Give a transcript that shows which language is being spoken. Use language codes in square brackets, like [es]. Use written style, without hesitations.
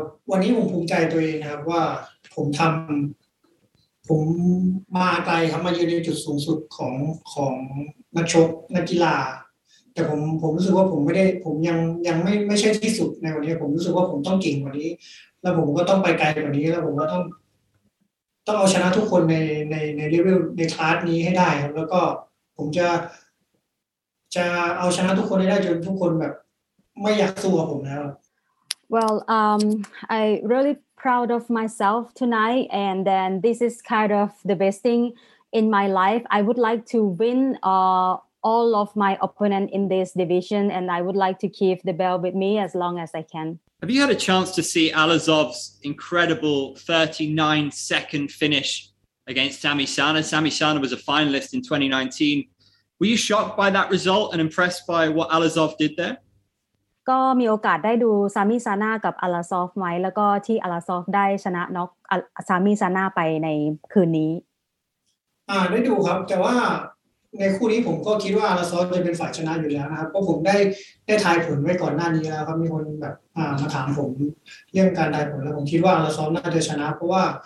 [th] วันนี้ผมภูมิใจตัวเองนะครับว่าผมมาไกลครับมายืนในจุดสูงสุดของนักชกนักกีฬาแต่ผมรู้สึกว่าผมยังไม่ใช่ที่สุดในวันนี้ผมรู้สึกว่าผมต้องเก่งกว่านี้แล้วผมก็ต้องไปไกลกว่านี้แล้วผมก็ต้องเอาชนะทุกคนในเลเวลในคลาสนี้ให้ได้ครับแล้วก็ผมจะเอาชนะทุกคนได้จนทุกคนแบบไม่อยากสู้กับผมแล้ว [en] Well I really proud of myself tonight and then this is kind of the best thing in my life I would like to win all of my opponent in this division and I would like to keep the belt with me as long as I can Have you had a chance to see Alazov's incredible 39 second finish against Sami Sana Sami Sana was a finalist in 2019Were you shocked by that result and impressed by what Alazov did there? [th] ก็มีโอกาสได้ดูซามิซาน่ากับอลาซอฟไหมแล้วก็ที่อลาซอฟได้ชนะน็อกซามิซาน่าไปในคืนนี้ได้ดูครับแต่ว่าในคู่นี้ผมก็คิดว่าอลาซอฟจะเป็นฝ่ายชนะอยู่แล้วนะครับเพราะผมได้ทายผลไว้ก่อนหน้านี้แล้วครับมีคนแบบมาถามผมเรื่องการทายผลแล้วผมคิดว่าอลาซอฟน่าจะชนะเพราะว่า